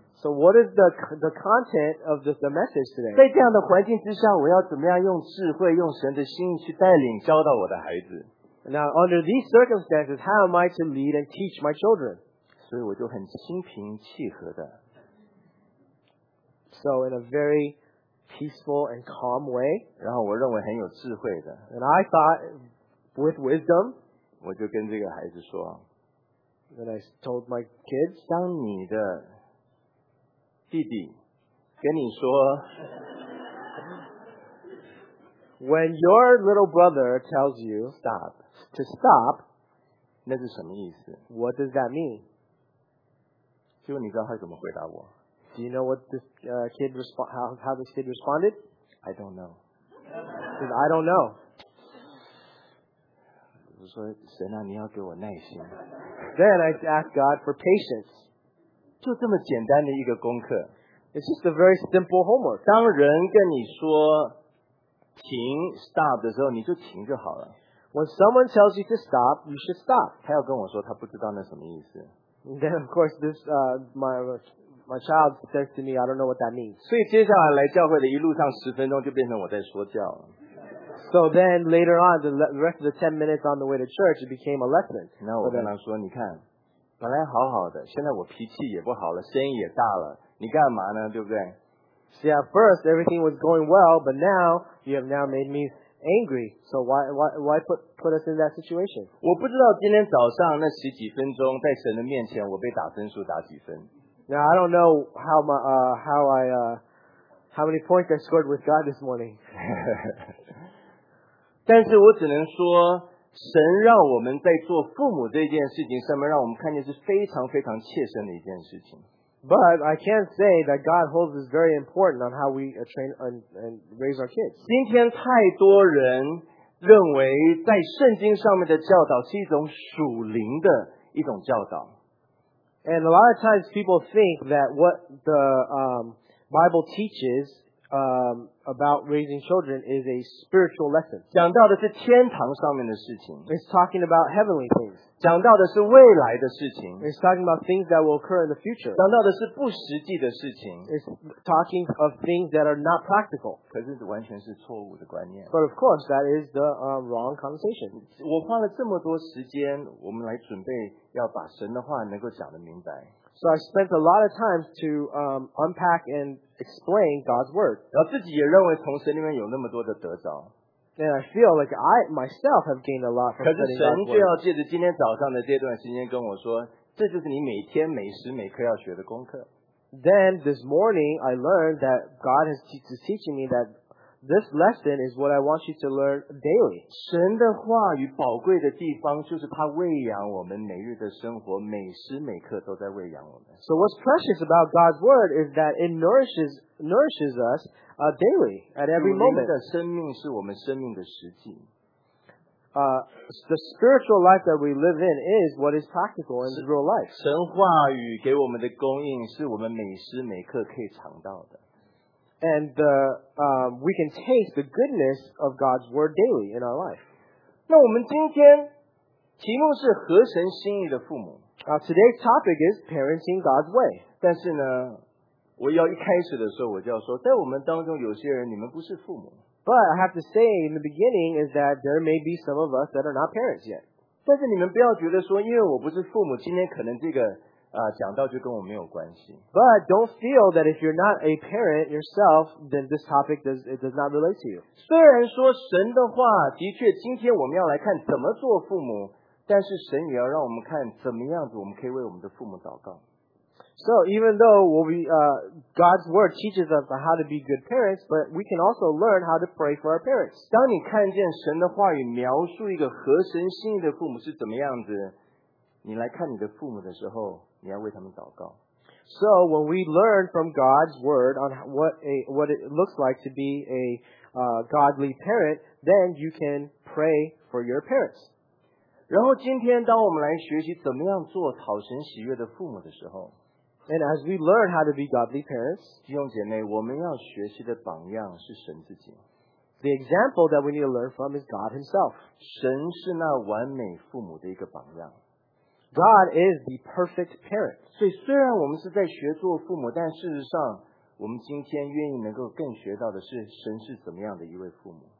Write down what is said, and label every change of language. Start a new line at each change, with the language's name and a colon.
English: ？So what is the content of the message today?
Chinese: 在这样的环境之下，我要怎么样用智慧、用神的心去带领、教导我的孩子
English: ？Now under these circumstances, how am I to lead and teach my children?
Chinese: 所以我就很心平气和的。
English: So in a very peaceful and calm way.
Chinese: 然后我认为很有智慧的。
English: And I thought. With wisdom,
Chinese: 我就跟这个孩子说
English: ，Then I told my kids,
Chinese: 当你的弟弟跟你说
English: ，When your little brother tells you stop to stop,
Chinese: 那是什么意思
English: ？What does that mean？
Chinese: 结果你知道他怎么回答我
English: ？Do you know what this kid how this kid responded？ I don't know. Because I don't know.
Chinese: 我说神啊，你要给我耐心。
English: Then I asked God for patience.
Chinese: 就这么简单的一个功课。
English: It's just a very simple homework.
Chinese: 当人跟你说停 stop 的时候，你就停就好了。
English: When someone tells you to stop, you should stop.
Chinese: 他要跟我说他不知道那什么意思。
English: Then of course this my child says to me, I don't know what that means.
Chinese: 所以接下来来教会的一路上十分钟就变成我在说教了。
English: So then later on, the rest of the 10 minutes on the way to church, it became a lesson.
Chinese: 那我跟他说，你看，本来好好的，现在我脾气也不好了，声音也大了，你干嘛呢？对不对？
English: See, at first everything was going well, but now you have now made me angry. So why put us in that situation?
Chinese: 我不知道今天早上那十几分钟在神的面前，我被打分数打几分。
English: Now I don't know how many points I scored with God this morning.
Chinese: 但是我只能说，神让我们在做父母这件事情上面，让我们看见是非常非常切身的一件事情。
English: But I can't say that God holds this very important on how we train and raise our kids.
Chinese: 今天太多人认为在圣经上面的教导是一种属灵的一种教导。
English: And a lot of times people think that what the Bible teaches about raising children is a spiritual lesson.
Chinese: 讲到的是天堂上面的事情。
English: It's talking about heavenly things.
Chinese: 讲到的是未来的事情。
English: It's talking about things that will occur in the future.
Chinese: 讲到的是不实际的事情。
English: It's talking of things that are not practical.
Chinese: 可是完全是错误的观念。
English: But of course, that is the wrong conversation.
Chinese: 我花了这么多时间，我们来准备要把神的话能够讲得明白。
English: So I spent a lot of time to unpack and explain God's word.
Chinese: 然后自己也认为从神里面有那么多的得着。
English: And I feel like I myself have gained a lot from studying God's word.
Chinese: 可是神就要借着今天早上的这段时间跟我说，这就是你每天每时每刻要学的功课。
English: Then this morning I learned that God is teaching me that this lesson is what I want you to learn daily.
Chinese: 神的话语宝贵的地方就是他喂养我们每日的生活，每时每刻都在喂养我们。
English: So what's precious about God's word is that it nourishes us daily at every moment.
Chinese: 属灵的生命是我们生命的实际。
English: The spiritual life that we live in is what is practical in real life.
Chinese: 神话语给我们的供应是我们每时每刻可以尝到的。
English: And we can taste the goodness of God's word daily in our life.
Chinese: 那我们今天题目是合神心意的父母。
English: Today's topic is parenting God's way.
Chinese: 但是呢，我要一开始的时候我就要说，在我们当中有些人你们不是父母。
English: But I have to say in the beginning is that there may be some of us that are not parents yet.
Chinese: 但是你们不要觉得说，因为我不是父母，今天可能这个讲到就跟我没有关系。
English: But don't feel that if you're not a parent yourself, then this topic does not relate to you.
Chinese: 虽然说神的话的确，今天我们要来看怎么做父母，但是神也要让我们看怎么样子我们可以为我们的父母祷告。
English: So even though God's word teaches us how to be good parents, but we can also learn how to pray for our parents.
Chinese: 当你看见神的话语描述一个合神心意的父母是怎么样子，你来看你的父母的时候，你要为他们祷告。
English: So when we learn from God's word on what it looks like to be a godly parent, then you can pray for your parents.
Chinese: 然后今天当我们来学习怎么样做讨神喜悦的父母的时候，
English: and as we learn how to be godly parents,
Chinese: 弟兄姐妹，我们要学习的榜样是神自己。
English: The example that we need to learn from is God Himself.
Chinese: 神是那完美父母的一个榜样。
English: God is the perfect parent.
Chinese: 所以虽然我们是在学做父母，但事实上我们今天愿意能够更学到的是神是怎么样的一位父母。